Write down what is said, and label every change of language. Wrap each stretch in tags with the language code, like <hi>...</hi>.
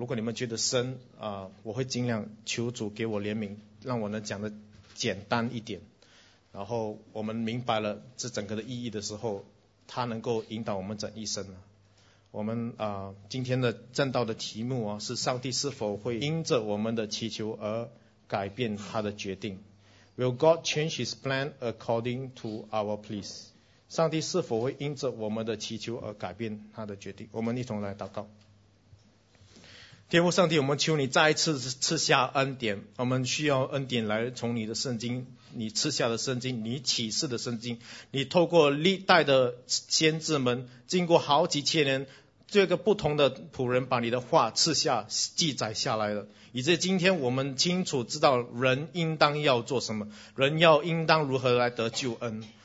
<zh>如果你们觉得深我会尽量求主给我怜悯，让我能讲的简单一点，然后我们明白了这整个的意义的时候，他能够引导我们整一生。我们今天的正道的题目是上帝是否会因着我们的祈求而改变他的决定。</zh> <en>Will God change his plan according to our pleas?</en> <zh>上帝是否会因着我们的祈求而改变他的决定？我们一同来祷告。天父上帝，我们求你再一次赐下恩典，我们需要恩典来从你的圣经，你赐下的圣经，你启示的圣经，你透过历代的先知们，经过好几千年，这个不同的仆人把你的话赐下，记载下来了，以至于今天我们清楚知道人应当要做什么，人要应当如何来得救恩。</zh>